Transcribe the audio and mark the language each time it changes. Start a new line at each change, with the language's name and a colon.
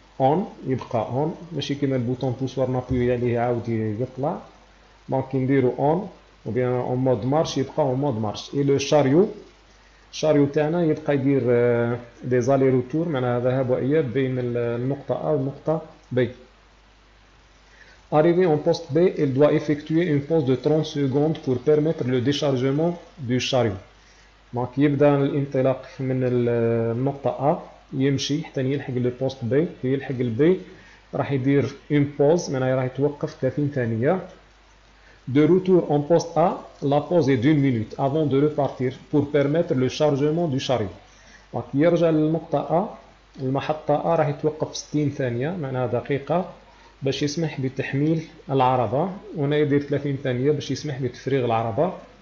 Arabic: On, يبقى on, ماشي كيما البوطون بوسوار نابوي عليه عاود يطلع دونك نديرو
French: on ou bien en mode marche
Arabic: يبقى
French: en mode marche et le chariot
Arabic: تاعنا يبقى يدير
French: des allers-retours
Arabic: معناها ذهاب وإياب بين النقطة A و النقطة B.
French: Arrivé en poste B, il doit effectuer une pause de 30 secondes pour permettre le déchargement du chariot.
Arabic: Donc يبدا الانطلاق من النقطة A يمشي حتى يلحق البوست بي في يلحق البي راح يدير اون بوز معناها راح يتوقف 30 ثانيه
French: de retour en poste A la pause est d'une minute avant de repartir pour permettre le chargement du chariot donc
Arabic: يرجع للنقطة A المحطة A راح يتوقف 60 ثانية معناها دقيقة باش يسمح بتحميل العربة وهنا يدير 30 ثانية باش يسمح بتفريغ العربة